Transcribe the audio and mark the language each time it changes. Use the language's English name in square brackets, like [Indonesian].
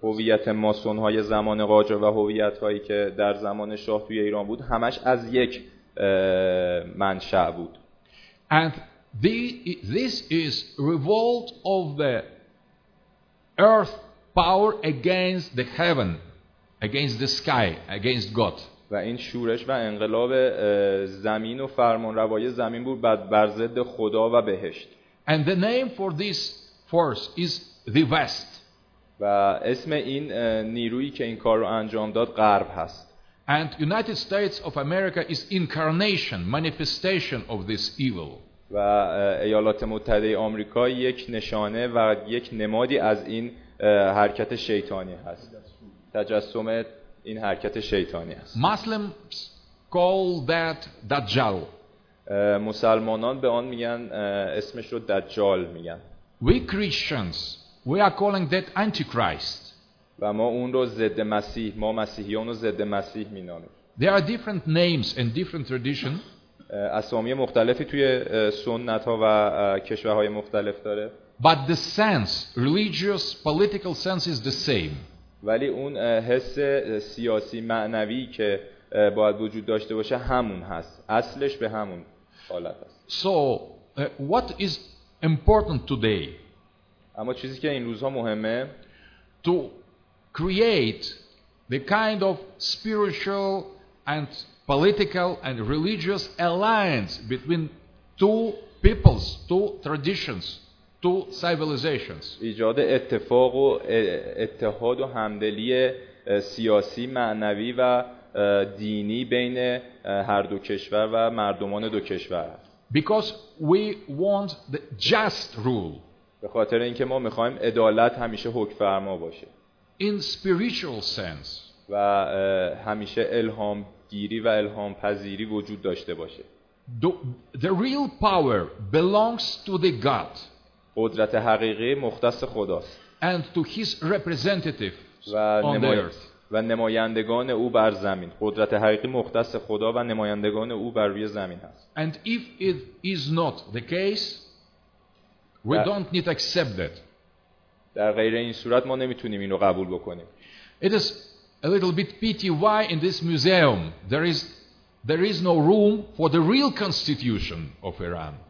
[Persian] هویت ماسون های زمان قاجار و هویت هایی که در زمان شاه توی ایران بود همش از یک منشأ بود. [English] And this is revolt of the earth power against the heaven, against the sky, against God. [Persian] و این شورش و انقلاب زمین و فرمان روای زمین بود بر ضد خدا و بهشت. [English] And the name for this force is the West. [Persian] و اسم این نیرویی که این کار رو انجام داد غرب هست. [English] And United States of America is incarnation, manifestation of this evil. [Persian] و ایالات متحده آمریکا یک نشانه و یک نمادی از این حرکت شیطانی هست. تجسم این حرکت شیطانی است. [English] Muslims call that Dajjal. [Persian] مسلمانان به آن میگن اسمش رو دجال میگن. [English] We Christians, we are calling that Antichrist. [Persian] و ما اون رو ضد مسیح، ما مسیحیان رو ضد مسیح مینامیم. [English] There are different names and different tradition. [Persian] اسامی مختلفی توی سنت ها و کشورهای مختلف داره. [English] But the sense, religious, political sense is the same. [Persian] ولی اون حس سیاسی معنوی که باید وجود داشته باشه همون هست، اصلش به همون حالت است. [English] So what is important today? [Persian] اما چیزی که این روزها مهمه [English] to create the kind of spiritual and political and religious alliance between two peoples, two traditions, two civilizations. [Persian] ایجاد اتفاق و اتحاد و همدلی سیاسی، معنوی و دینی بین هر دو کشور و مردمان دو کشور. [English] Because we want the just rule. [Persian] به خاطر اینکه ما می‌خوایم عدالت همیشه حکم فرما باشه. [English] In spiritual sense. [Persian] و همیشه الهام گیری و الهام پذیری وجود داشته باشه. [English] The real power belongs to the God. [Persian] قدرت حقیقی مختص خداست. [English] And to his representative on the earth. [Persian] و نمایندگان او بر زمین. قدرت حقیقی مختص خدا و نمایندگان او بر روی زمین هست. [English] And if it is not the case, we don't need to accept that. [Persian] در غیر این صورت ما نمیتونیم اینو قبول بکنیم. [English] It is a little bit pity why in this museum there is no room for the real constitution of Iran.